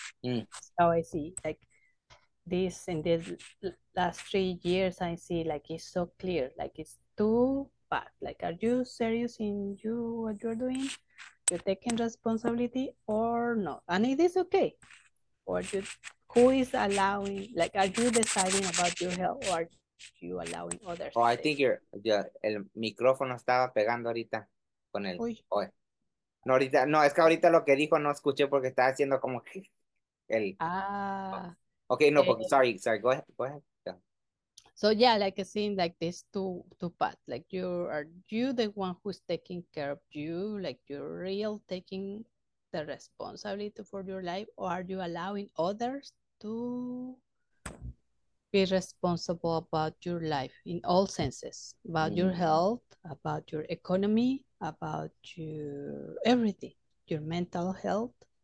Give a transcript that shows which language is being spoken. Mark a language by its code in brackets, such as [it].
[en] That's how I see, like, this in these last 3 years, I see, like, it's so clear, like, it's two paths. Like, are you serious in what you're doing? You're taking responsibility or not? And it is okay. Or who is allowing, like, are you deciding about your health or are you allowing others Oh, I take? think [es] el micrófono estaba pegando ahorita con el Uy. hoy. No, ahorita, no, es que ahorita lo que dijo no escuché porque estaba haciendo como que el Ah, [en] okay, [es] no, porque [en] sorry, go ahead. so yeah, like seeing like this two paths, like are you the one who's taking care of you, like you're real taking the responsibility for your life, or are you allowing others to be responsible about your life in all senses, about your health, about your economy, about your everything, your mental health?